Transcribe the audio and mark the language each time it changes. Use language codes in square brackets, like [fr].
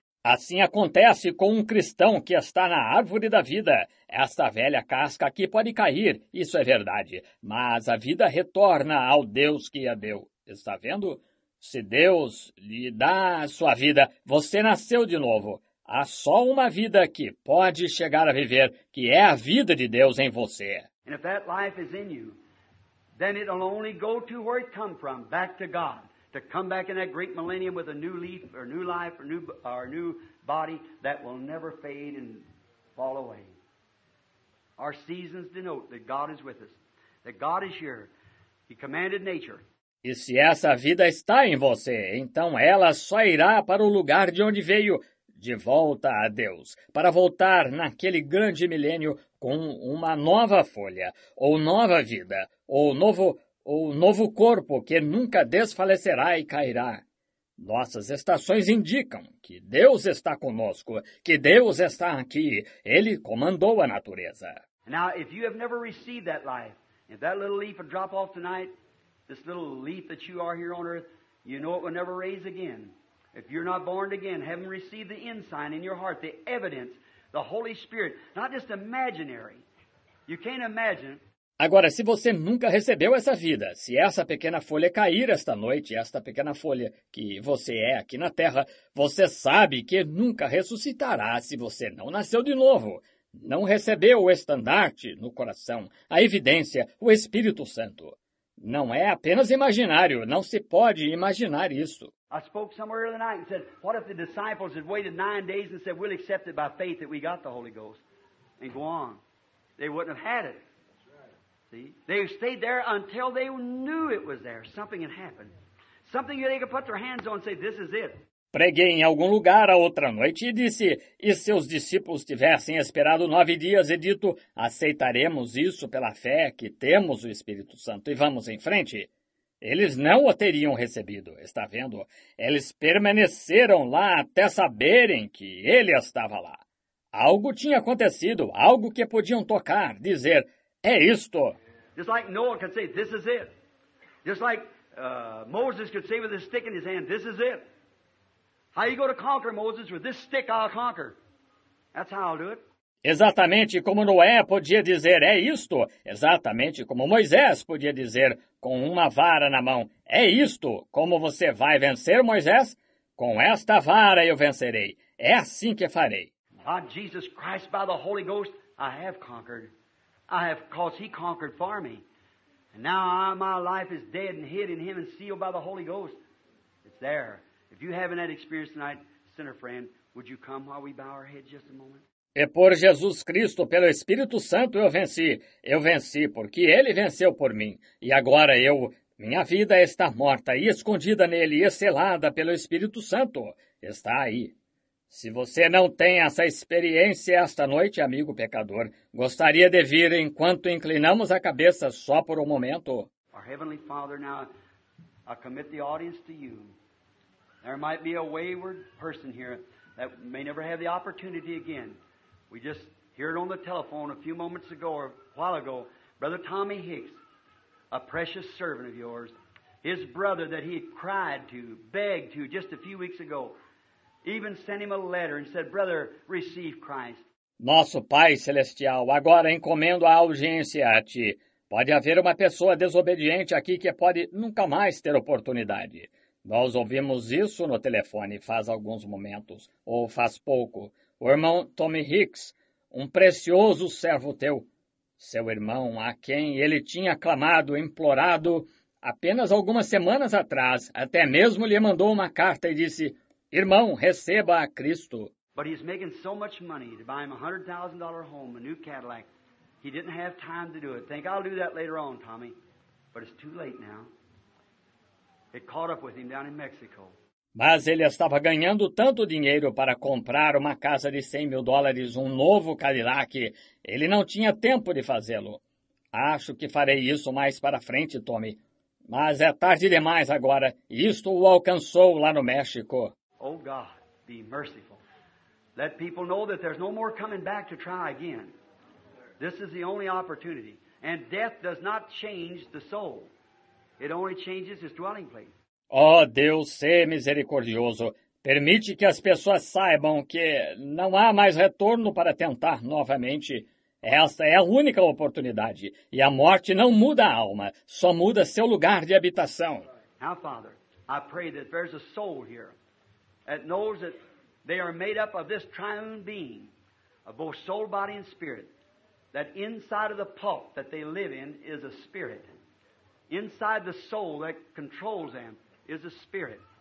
[pt] Assim acontece com cristão que está na árvore da vida. Esta velha casca aqui pode cair, isso é verdade, mas a vida retorna ao Deus que a deu. Está vendo? Se Deus lhe dá a sua vida, você nasceu de novo. Há só uma vida que pode chegar a viver, que é a vida de Deus em você. [en] And if that life is in you, then it'll only go to where it come from, back to God, to come back in that great millennium with a new leaf or new life or new body that will never fade and fall away. Our seasons denote that God is with us, that God is here. He commanded nature. [pt] E se essa vida está em você, então ela só irá para o lugar de onde veio. De volta a Deus, para voltar naquele grande milênio com uma nova folha, ou nova vida, ou novo corpo que nunca desfalecerá e cairá. Nossas estações indicam que Deus está conosco, que Deus está aqui, Ele comandou a natureza. [en] Now, if you have never received that life, if that little leaf would drop off tonight, this little leaf that you are here on earth, you know it will never raise again. If you're not born again, haven't received the ensign in your heart, the evidence, the Holy Spirit, not just imaginary. You can't imagine. [pt] Agora, se você nunca recebeu essa vida, se essa pequena folha cair esta noite, esta pequena folha que você é aqui na Terra, você sabe que nunca ressuscitará se você não nasceu de novo. Não recebeu o estandarte no coração, a evidência, o Espírito Santo. Não é apenas imaginário, não se pode imaginar isso. [en] I spoke somewhere early night and said, what if the disciples had waited 9 days and said, we'll accept it by faith that we got the Holy Ghost and go on. They wouldn't have had it. See? They stayed there until they knew it was there. Something had happened. Something that they could put their hands on and say, this is it. [pt] Preguei em algum lugar a outra noite e disse, e se os discípulos tivessem esperado 9 dias e dito, aceitaremos isso pela fé que temos o Espírito Santo e vamos em frente? Eles não o teriam recebido, está vendo? Eles permaneceram lá até saberem que ele estava lá. Algo tinha acontecido, algo que podiam tocar, dizer, é isto. [en] Just like Noah could say, this is it. Just like Moses could say with a stick in his hand, this is it. How you go to conquer, Moses? With this stick, I'll conquer. That's how I'll do it. [pt] Exatamente como Noé podia dizer, é isto. Exatamente como Moisés podia dizer, com uma vara na mão, é isto. Como você vai vencer, Moisés? Com esta vara eu vencerei. É assim que farei. [en] By Jesus Christ, by the Holy Ghost, I have conquered. I have, because he conquered for me. And now my life is dead and hid in him and sealed by the Holy Ghost. It's there. If you haven't had experience tonight, sinner friend, would you come while we bow our head just a moment? [pt] É por Jesus Cristo, pelo Espírito Santo, eu venci. Eu venci porque ele venceu por mim. E agora eu, minha vida está morta e escondida nele e selada pelo Espírito Santo. Está aí. Se você não tem essa experiência esta noite, amigo pecador, gostaria de vir enquanto inclinamos a cabeça só por um momento. [en] Our Heavenly Father, now I commit the audience to you. There might be a wayward person here that may never have the opportunity again. We just heard on the telephone a few moments ago or a while ago, Brother Tommy Hicks, a precious servant of yours, his brother that he had cried to, begged to just a few weeks ago, even sent him a letter and said, Brother, receive Christ. [pt] Nosso Pai Celestial, agora encomendo a audiência a ti. Pode haver uma pessoa desobediente aqui que pode nunca mais ter oportunidade. Nós ouvimos isso no telefone faz alguns momentos, ou faz pouco. O irmão Tommy Hicks, um precioso servo teu, seu irmão a quem ele tinha clamado, implorado, apenas algumas semanas atrás, até mesmo lhe mandou uma carta e disse, irmão, receba a Cristo. [en] But he's making so much money to buy him a $100,000 home, a new Cadillac. He didn't have time to do it. Think I'll do that later on, Tommy. But it's too late now. It caught up with him down in Mexico. [pt] Mas ele estava ganhando tanto dinheiro para comprar uma casa de $100,000, um novo Cadillac. Ele não tinha tempo de fazê-lo. Acho que farei isso mais para frente, Tommy. Mas é tarde demais agora. Isto o alcançou lá no México. [en] Oh, God, be merciful. Let people know that there's no more coming back to try again. This is the only opportunity. And death does not change the soul. It only changes his dwelling place. [pt] Oh, Deus, sê misericordioso. Permite que as pessoas saibam que não há mais retorno para tentar novamente. Essa é a única oportunidade. E a morte não muda a alma, só muda seu lugar de habitação. [en] Now, Father, I pray that there's a soul here that knows that they are made up of this triune being, of both soul, body, and spirit, that inside of the pulp that they live in is a spirit. Inside the soul that controls them is a spirit.